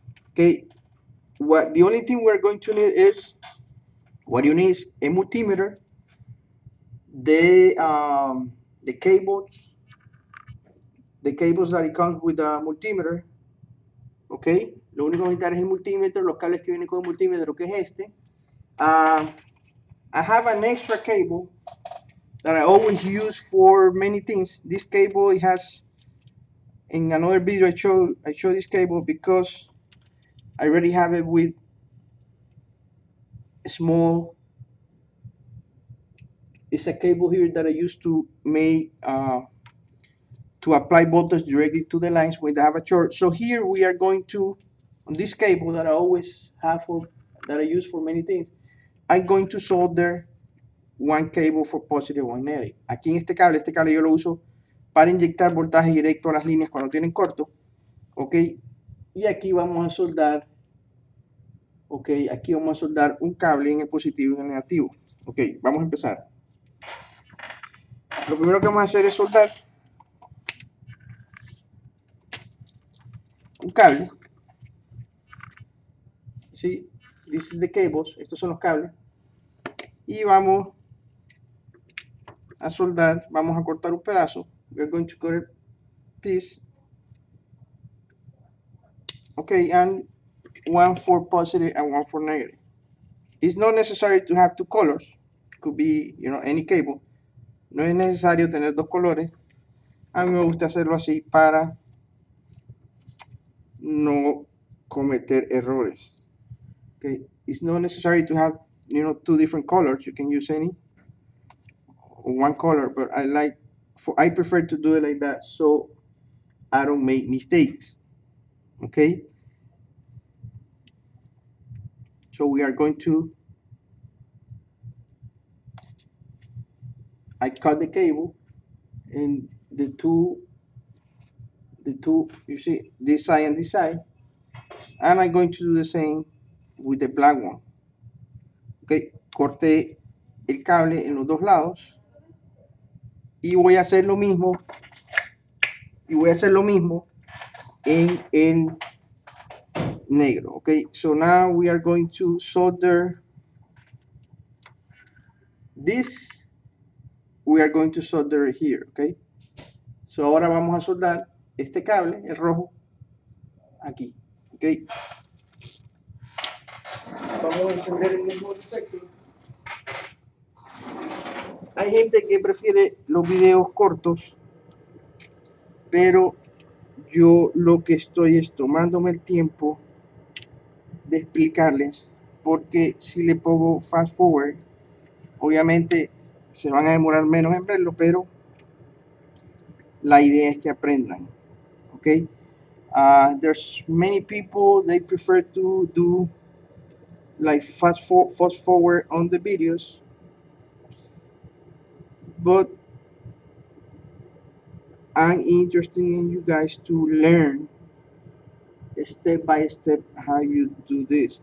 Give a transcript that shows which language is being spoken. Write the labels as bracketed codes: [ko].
[en] Okay, what the only thing we're going to need is, what you need is a multimeter, the cables that it comes with a multimeter, okay? [es] Lo único que necesitar es el multímetro, los cables que vienen con el multímetro, que es este. [en] I have an extra cable that I always use for many things. This cable, it has, in another video I show this cable because I already have it with a small, it's a cable here that I use to make, to apply voltage directly to the lines when they have a short. So here we are going to, on this cable that I always have for, that I use for many things, I'm going to solder one cable for positive, one negative. [es] Aquí en este cable yo lo uso para inyectar voltaje directo a las líneas cuando tienen corto, okay? Y aquí vamos a soldar, okay, aquí vamos a soldar un cable en el positivo y en el negativo. Okay, vamos a empezar. Lo primero que vamos a hacer es soldar un cable. Sí, [en] this is the cables, [es] estos son los cables. Y vamos a soldar, vamos a cortar un pedazo. [en] We're going to cut a piece. Okay, and one for positive and one for negative. It's not necessary to have two colors. Could be, you know, any cable. [es] No es necesario tener dos colores. A mí me gusta hacerlo así para no cometer errores. [en] Okay, it's not necessary to have, you know, two different colors. You can use any one color, but I prefer to do it like that so I don't make mistakes. Okay, so we are going to, I cut the cable and the two, you see this side and this side, and I'm going to do the same with the black one. [es] Okay, corté el cable en los dos lados. Y voy a hacer lo mismo. Y voy a hacer lo mismo en el negro. [en] Okay, so now we are going to solder this. We are going to solder it here. [es] Okay, so ahora vamos a soldar este cable, el rojo, aquí. Okay, vamos a encender el mismo detector. Hay gente que prefiere los videos cortos, pero yo lo que estoy es tomándome el tiempo de explicarles, porque si le pongo fast forward, obviamente se van a demorar menos en verlo, pero la idea es que aprendan, ¿ok? [en] There's many people, they prefer to do like fast forward on the videos. But I'm interested in you guys to learn step by step how you do this.